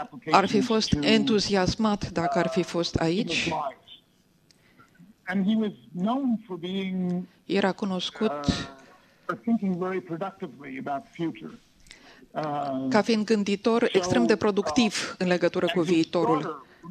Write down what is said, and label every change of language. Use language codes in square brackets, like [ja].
[ro] Ar fi fost entuziasmat dacă ar fi fost aici. [en] And he was known for being. [ro] Era cunoscut. [en] For thinking very productively about the future. [ro] Ca fiind gânditor extrem de productiv în legătură cu viitorul.